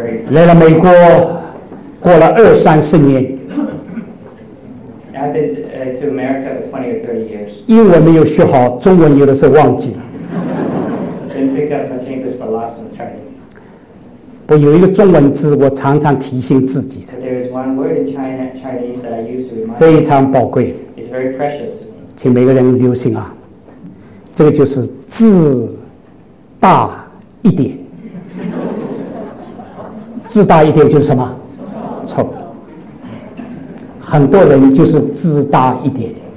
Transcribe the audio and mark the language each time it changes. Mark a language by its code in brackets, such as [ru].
[zh] 来了美国，过了二三十年。 [en] I've been to America for 20 or 30 years. [zh] 英文没有学好，中文有的时候忘记了。 [en] Didn't pick up much English, but lost some Chinese. [zh] 不，有一个中文字，我常常提醒自己。 [en] But there is one word in China, Chinese that I use to remind. [zh] 非常宝贵。 [en] It's very precious. [zh] 请每个人留心啊，这个就是自大一点。自大一点就是什么？错。很多人就是自大一点。